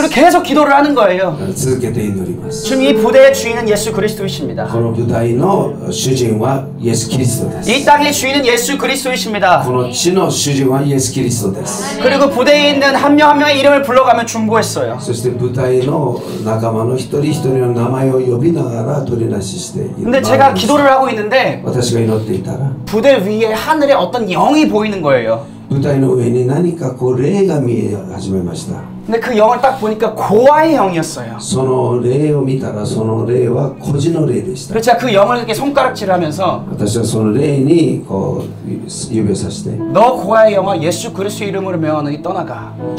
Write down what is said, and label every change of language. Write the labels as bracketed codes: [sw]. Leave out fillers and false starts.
[ko] 그리고 계속 기도를 하는 거예요. [ja] 続けて祈ります。 [ko] 지금 이 부대의 주인은 예수 그리스도이십니다. [ja] この部隊の主人はイエスキリストです。 [ko] 이 땅의 주인은 예수 그리스도이십니다. [ja] この地の主人はイエスキリストです。 [ko] 그리고 부대에 있는 한 명 한 명의 이름을 불러가며 중보했어요. [ja] そして部隊の仲間の一人一人の名前を呼びながら取りなしして。 [ko] 근데 제가 기도를 하고 있는데 부대 위에 하늘에 어떤 영이 보이는 거예요. [ja] 부대の上に何か霊が見え始めました。 [ko] 근데 그 영을 딱 보니까 고아의 영이었어요. [ja] その霊を見たらその霊は孤児の霊でした。 [ko] 그래서 제가 그 영을 이렇게 손가락질하면서 [ja] 私はその霊にこう指さして。 [ko] 너 고아의 영아 예수 그리스도 이름으로 명하노니 떠나가.